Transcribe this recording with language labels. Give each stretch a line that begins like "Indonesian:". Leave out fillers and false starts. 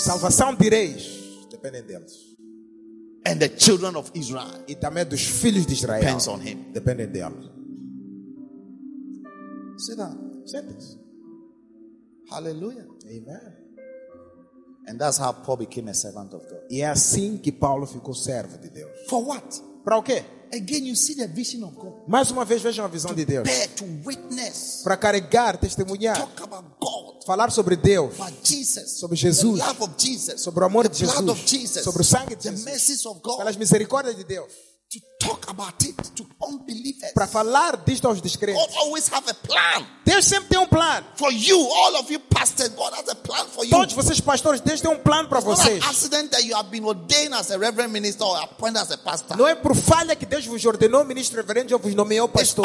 Portuguese: Salvação de reis dependem deles.
English: And the children of Israel.
Portuguese: E também dos filhos de Israel.
English: Depends on him.
Portuguese: Dependem deles.
English: Say that. Say this. Hallelujah. Amen. And that's how Paul became a servant of God.
Portuguese: E é assim que Paulo ficou servo de Deus.
English: For what?
Portuguese: Para o quê?
English: Again, you see the vision of God.
Portuguese: Mais uma vez vejam a visão
English: to
Portuguese: de Deus.
English: Bear, to witness,
Portuguese: para carregar, testemunhar.
English: To talk about God,
Portuguese: falar sobre Deus.
English: About Jesus,
Portuguese: sobre Jesus.
English: The love of Jesus,
Portuguese: sobre o amor
English: the
Portuguese: de Jesus,
English: blood of Jesus.
Portuguese: Sobre o sangue de
English: the
Portuguese: Jesus.
English: Mercies of God,
Portuguese: pelas misericórdias de Deus.
English: To talk about it, to unbelievers.
Portuguese: Para falar disto aos descrentes.
English: God always have a plan.
Portuguese: Deus sempre tem plan.
English: For you, all of you pastors, God has a plan for you.
Portuguese: Todos vocês pastores, Deus tem plan para vocês.
English: It's not an accident that you have been ordained as a reverend minister or appointed as a pastor.
Portuguese: Não é por falha que Deus vos ordenou ministro reverendo ou vos nomeou pastor.